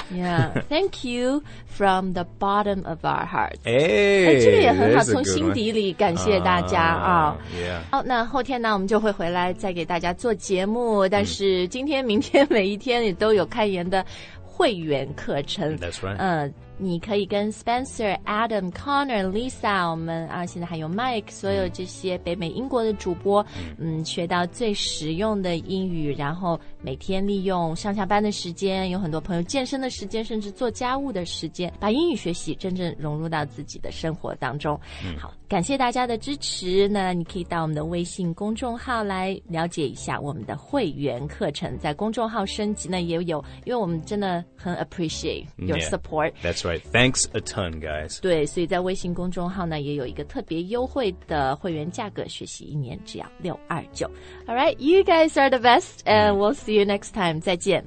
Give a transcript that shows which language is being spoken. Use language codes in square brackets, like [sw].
[en] yeah thank you from the bottom of our hearts 哎 [zh] 这个也很好从心底里感谢大家啊、 yeah. 好那后天呢我们就会回来再给大家做节目但是今天明天每一天也都有开言的会员课程 [en] that's right [zh] 你可以跟 Spencer, Adam, Connor, Lisa, 我们啊现在还有 Mike, 所有这些北美英国的主播学到最实用的英语然后每天利用上下班的时间有很多朋友健身的时间甚至做家务的时间把英语学习真正融入到自己的生活当中。好感谢大家的支持那你可以到我们的微信公众号来了解一下我们的会员课程在公众号升级呢也有因为我们真的很 [en] appreciate your support. Yeah, that's right. right. Thanks a ton, guys. [zh] 对，所以在微信公众号呢，也有一个特别优惠的会员价格，学习一年只要629。 [en] All right, you guys are the best, and we'll see you next time. 再见。